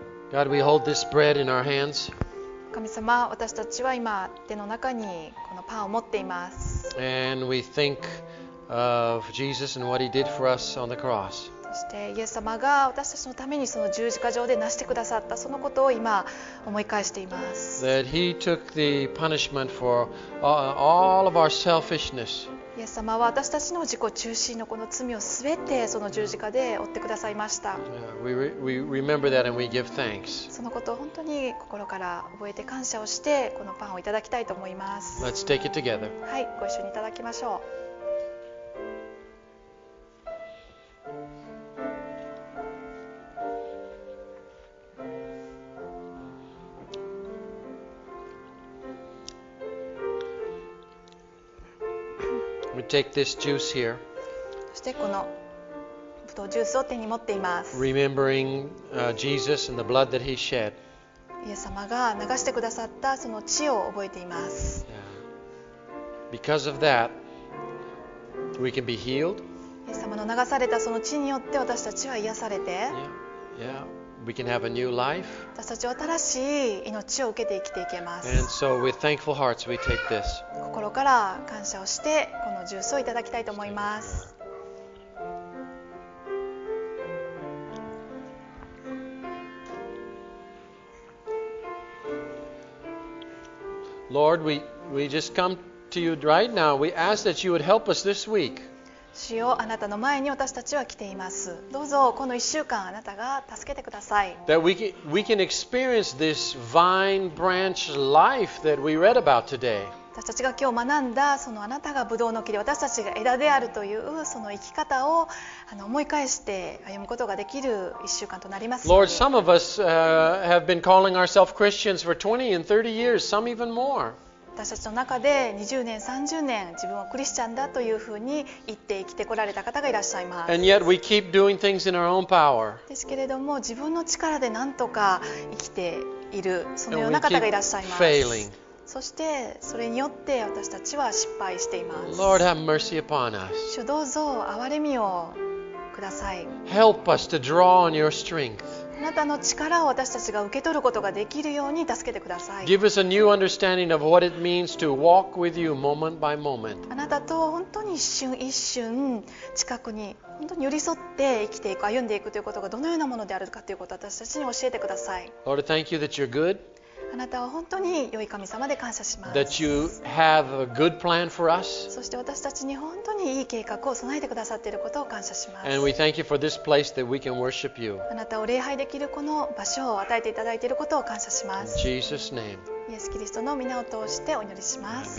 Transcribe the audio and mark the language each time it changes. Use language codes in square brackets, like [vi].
[en] God, we hold this bread in our hands. [ja] 神様、私たちは今手の中にこのパンを持っています。 [en] And we think of Jesus and what he did for us on the cross. [ja] そしてイエス様が私たちのためにその十字架上で成してくださったそのことを今思い返しています。 [en] That he took the punishment for all of our selfishness. [ja] イエス様は私たちの自己中心のこの罪をすべてその十字架で負ってくださいました。 [en] We remember that and we give thanks. [ja] そのことを本当に心から覚えて感謝をしてこのパンをいただきたいと思います。 [en] Let's take it together. [ja] はい、ご一緒にいただきましょう。 [en] Take this juice here. [ja] そしてこのブドウジュースを手に持っています。 [en] Remembering Jesus and the blood that he shed. [ja] イエス様が流してくださったその血を覚えています。 [en] Because of that, we can be healed. [ja] イエス様の流されたその血によって私たちは癒されて、 [en] we can have a new life. [ja] 私たちは新しい命を受けて生きていけます。 [en] And so with thankful hearts, we take this. [ja] 心から感謝をしてこのジュースをいただきたいと思います。 [en] Lord, we just come to you right now. We ask that you would help us this week. [ja] 主よ、あなたの前に私たちは来ています。どうぞこの1週間あなたが助けてください。 [en] That we can experience this vine branch life that we read about today. [ja] 私たちが今日学んだそのあなたがブドウの木で私たちが枝であるというその生き方を思い返して歩むことができる1週間となりますように。 [en] Lord, some of us have been calling ourselves Christians for 20 and 30 years, some even more. [ja] 私たちの中で20年、30年自分はクリスチャンだというふうに言って生きてこられた方がいらっしゃいます。 [en] And yet we keep doing things in our own power. [ja] ですけれども自分の力で何とか生きているそのような方がいらっしゃいます。 [en] And we keep failing. [ja] そしてそれによって私たちは失敗しています。 [en] Lord, have mercy upon us. [ja] 主どうぞ憐れみをください。 [en] Help us to draw on your strength. [ja] あなたの力を私たちが受け取ることができるように助けてください。 [en] Give us a new understanding of what it means to walk with you moment by moment. [ja] あなたと本当に一瞬一瞬近くに本当に寄り添って生きていく歩んでいくということがどのようなものであるかということを私たちに教えてください。 [en] Lord, thank you that you're good. [ja] あなたは本当に良い神様で感謝します。 [en] That you have a good plan for us. [ja] そして私たちに本当に良い計画を備えてくださっていることを感謝します。 [en] And we thank you for this place that we can worship you. [ja] あなたを礼拝できるこの場所を与えていただいていることを感謝します。 [en] In Jesus' name. [ja] イエス・キリストの御名を通してお祈りします。